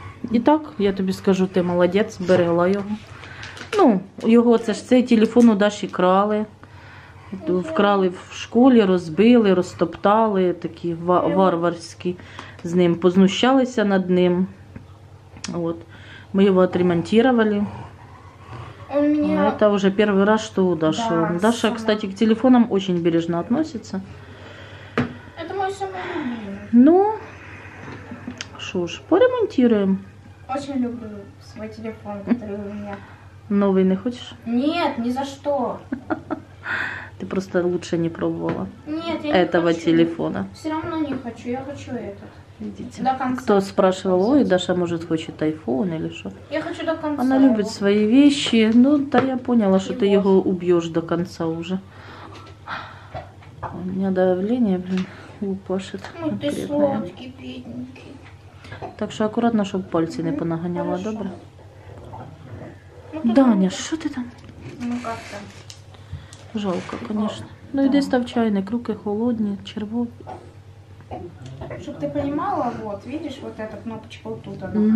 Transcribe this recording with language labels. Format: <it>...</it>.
<uk>І так, я тобі скажу, ти молодець, берегла його. Ну, його це ж цей телефон у Даші крали. Вкрали в школі, розбили, розтоптали, такі варварські. З ним познущалися над ним. От. Ми його відремонтували.</uk> <ru>Меня...</ru> <uk>Це вже перший раз, що у Даші.</uk> <ru>Да, Даша, сама. Кстати, к телефонам очень бережно относится. Это мой самый любимый.</ru> <uk>Ну, що ж, поремонтируємо.</uk> <ru>Очень люблю свой телефон, который у меня. Новый не хочешь? Нет, ни за что. Ты просто лучше не пробовала. Нет, я этого телефона. Все равно не хочу, я хочу этот. Идите. До конца. Кто спрашивал, ой, Даша, может, хочет айфон или что? Я хочу до конца. Она любит свои вещи. Ну, да, я поняла, что ты его убьешь до конца уже. У меня давление, блин, упашет. Ну, ты сладкий, бедненький.</ru> <uk>Так що акуратно, щоб пальці не понаганяла, хорошо. Добре? Ну, Даня, що ти там? Ну, як там? Жалко, звісно. Ну, да. Іди став чайник, руки холодні, червові. Щоб ти розуміла, от, бачиш, ось ця кнопочка отут, вона.</uk>